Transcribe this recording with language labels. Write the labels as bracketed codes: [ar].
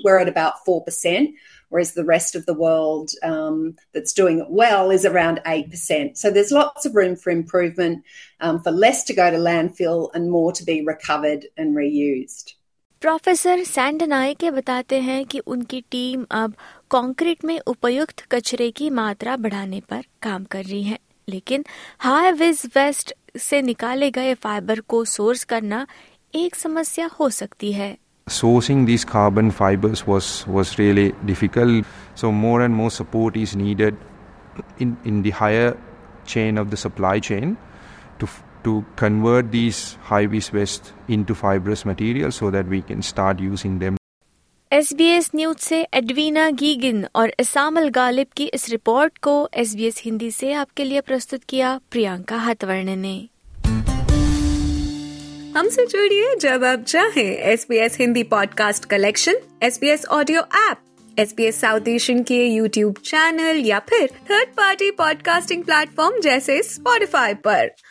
[en] We're at about 4%. Whereas the rest of the world that's doing it well is around 8%. So there's lots of room for improvement, for less to go to landfill and more to be recovered and reused. [hi] Professor Sandanayake बताते हैं कि उनकी team अब concrete में उपयुक्त कचरे की मात्रा बढ़ाने पर काम कर रही है, लेकिन हाई विज वेस्ट से निकाले गए फाइबर को सोर्स करना एक समस्या हो सकती है। [en] Sourcing these carbon fibers was really difficult. So more and more support is needed in the higher chain of the supply chain to convert these high-vis waste into fibrous material so that we can start using them. [hi] SBS News से Edwina गीगिन और इसामल गालिब की इस report को SBS Hindi से आपके लिए प्रस्तुत किया प्रियंका हतवर्ण ने। हमसे जुड़िए जब आप चाहें SBS Hindi podcast collection, SBS audio app, SBS south Asian के YouTube चैनल या फिर थर्ड पार्टी पॉडकास्टिंग प्लेटफॉर्म जैसे Spotify पर।